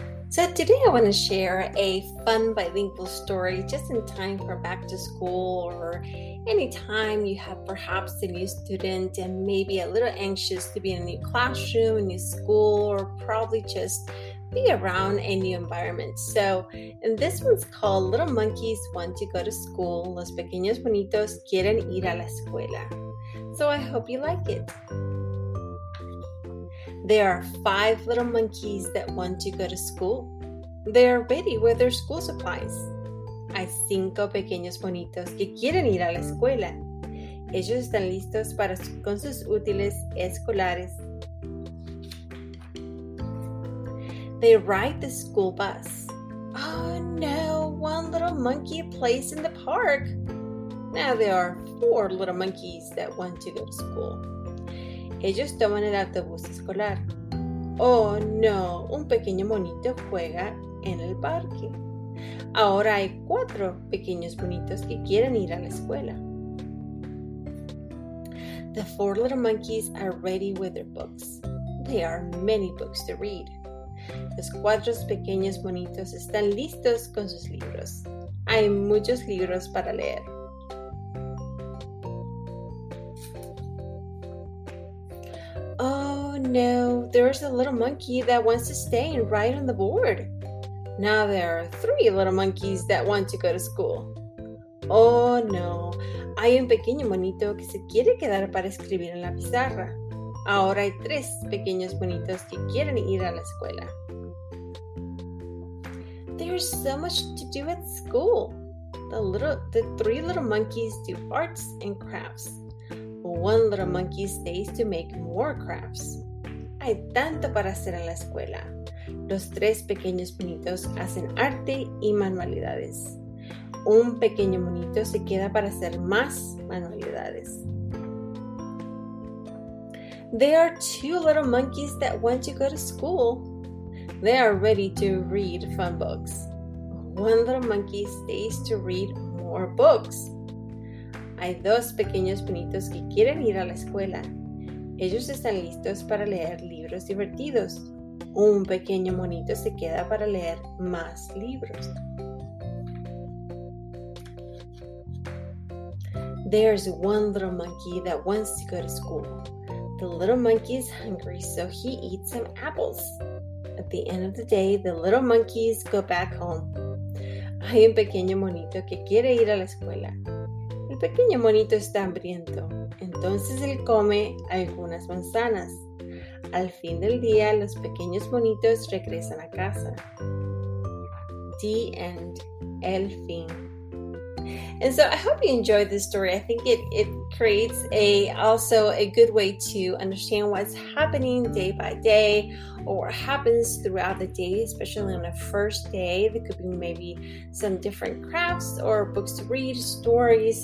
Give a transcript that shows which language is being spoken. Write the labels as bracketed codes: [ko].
[en] So today I want to share a fun bilingual story just in time for back to school or any time you have perhaps a new student and maybe a little anxious to be in a new classroom, a new school, or probably just be around a new environment. So, and this one's called Little Monkeys Want to Go to School. [es] Los Pequeños Bonitos Quieren Ir a la Escuela. [en] So I hope you like it. There are five little monkeys that want to go to school. They are ready with their school supplies. [es] Hay cinco pequeños bonitos que quieren ir a la escuela. Ellos están listos para con sus útiles escolares. [en] They ride the school bus. Oh no, one little monkey plays in the park. Now there are four little monkeys that want to go to school. [es] Ellos toman el autobús escolar. Oh no, un pequeño monito juega en el parque. Ahora hay cuatro pequeños bonitos que quieren ir a la escuela. [en] The four little monkeys are ready with their books. There are many books to read. [es] Los cuatro pequeños bonitos están listos con sus libros. Hay muchos libros para leer. [en] No, there is a little monkey that wants to stay and write on the board. Now there are three little monkeys that want to go to school. [es] Oh no, hay un pequeño monito que se quiere quedar para escribir en la pizarra. Ahora hay tres pequeños monitos que quieren ir a la escuela. [en] There's so much to do at school. The three little monkeys do arts and crafts. One little monkey stays to make more crafts. [es] Hay tanto para hacer en la escuela. Los tres pequeños monitos hacen arte y manualidades. Un pequeño monito se queda para hacer más manualidades. [en] There are two little monkeys that want to go to school. They are ready to read fun books. One little monkey stays to read more books. [es] Hay dos pequeños monitos que quieren ir a la escuela. Ellos están listos para leer libros divertidos. Un pequeño monito se queda para leer más libros. [en] There's one little monkey that wants to go to school. The little monkey is hungry, so he eats some apples. At the end of the day, the little monkeys go back home. [es] Hay un pequeño monito que quiere ir a la escuela. El pequeño monito está hambriento. Entonces él come algunas manzanas. Al fin del día, los pequeños monitos regresan a casa. [en] The end. [es] El fin. [en] And so I hope you enjoyed this story. I think it creates also a good way to understand what's happening day by day or what happens throughout the day, especially on a first day. There could be maybe some different crafts or books to read, stories.